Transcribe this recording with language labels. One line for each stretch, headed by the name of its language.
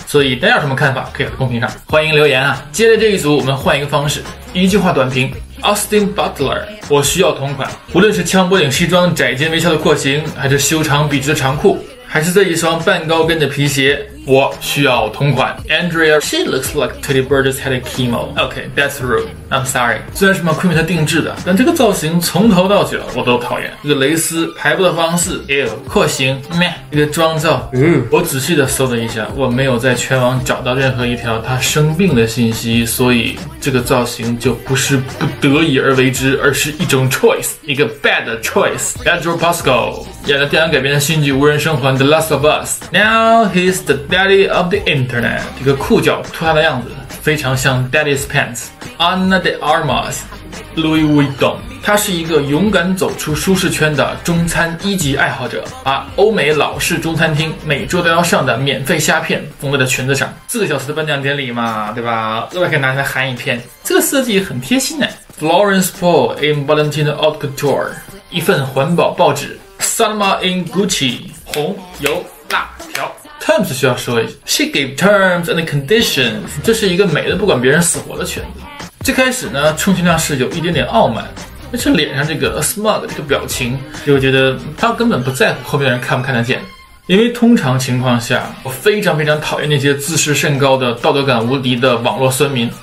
Chinese: 所以大家有什么看法，可以在公屏上欢迎留言啊。接着这一组，我们换一个方式，一句话短评。 Austin Butler， 我需要同款。无论是枪脖领西装、窄肩微笑的廓形，还是修长笔直的长裤，还是这一双半高跟的皮鞋，我需要同款。
English: Andrea， she looks like Teddy Bird just had a chemo. Okay, that's rude. I'm sorry.
Chinese: 虽然是McQueen她定制的，但这个造型从头到脚我都讨厌。这个蕾丝排布的方式 ，ew， 廓形 ，meh， 这个妆造 ，ew。我仔细的搜了一下，我没有在全网找到任何一条她生病的信息，所以这个造型就不是不得已而为之，而是一种 choice， 一个 bad choice。 Pedro Pascal 演了电影改编的新剧《无人生还》The Last of Us。
English: Now he's the Daddy of the Internet，
Chinese: 这个裤脚脱下的样子非常像 Daddy's Pants。 Ana de Armas， Louis Vuitton， 他是一个勇敢走出舒适圈的中餐一级爱好者，把欧美老式中餐厅每周都要上的免费虾片缝在了裙子上。四个小时的颁奖典礼嘛，对吧？另外可以拿下来含一片，这个设计很贴心哎。 Florence Poe in Valentino Haute Couture， 一份环保报纸。 Salma in Gucci， 红油辣条。 Terms 需要说一下 ，
English: She gave terms and conditions，
Chinese: 这是一个美的不管别人死活的裙子。最开始呢，充其量是有一点点傲慢，但是脸上这个 smug 这个表情，就觉得他根本不在乎后面人看不看得见。因为通常情况下，我非常非常讨厌那些自视甚高的、道德感无敌的网络酸民。